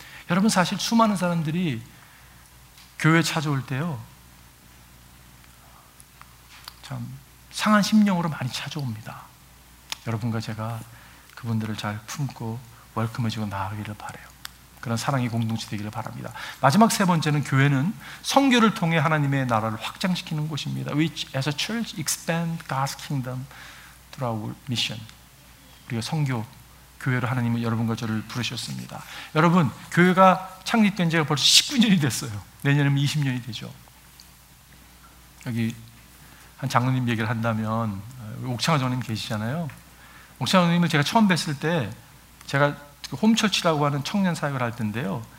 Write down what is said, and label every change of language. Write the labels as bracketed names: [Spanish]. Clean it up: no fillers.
[Korean] 여러분 사실 수많은 사람들이 교회 찾아올 때요 참 상한 심령으로 많이 찾아옵니다. 여러분과 제가 그분들을 잘 품고 월큼해지고 나아가기를 바라요. 그런 사랑의 공동체 되기를 바랍니다. 마지막 세 번째는 교회는 선교를 통해 하나님의 나라를 확장시키는 곳입니다. [English] Which as a church expand God's kingdom through our mission. [Korean] 우리가 선교, 교회로 하나님은 여러분과 저를 부르셨습니다. 여러분, 교회가 창립된 지가 벌써 19년이 됐어요. 내년이면 20년이 되죠. 여기 한 장로님 얘기를 한다면 옥창호 장로님 계시잖아요. 옥창호 장로님을 제가 처음 뵀을 때 제가 홈처치라고 하는 청년 사역을 할 텐데요.